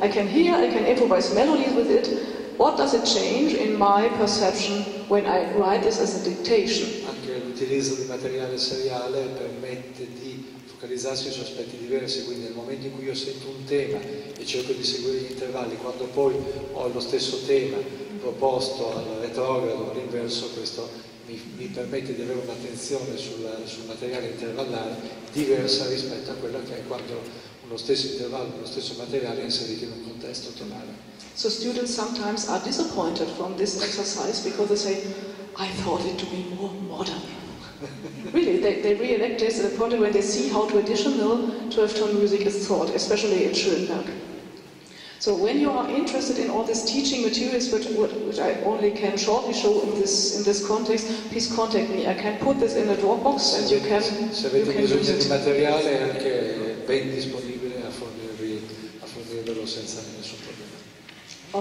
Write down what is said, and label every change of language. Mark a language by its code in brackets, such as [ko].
[en] I can hear, I can improvise melodies with it. What does it change in my perception when I write this as a dictation? [it] Anche l'utilizzo di materiale seriale permette di focalizzarsi su aspetti diversi, quindi nel momento in cui io sento un tema e cerco di seguire gli intervalli, quando poi ho lo stesso tema proposto al retrogrado, all'inverso, questo mi permette di avere un'attenzione sul materiale intervallare diversa rispetto a quella che è quando lo stesso intervallo, lo stesso materiale è inserito in un contesto tonale. [en] So students sometimes are disappointed from this exercise because they say, I thought it to be more modern. Really, they re-elect this at the point when they see how traditional 12-tone music is thought, especially in Schönberg. So when you are interested in all these teaching materials, which I only can shortly show in this context, please contact me. I can put this in a Dropbox and you can use it. [it] Materiale anche ben disponibile a fornirvelo senza nessun problema.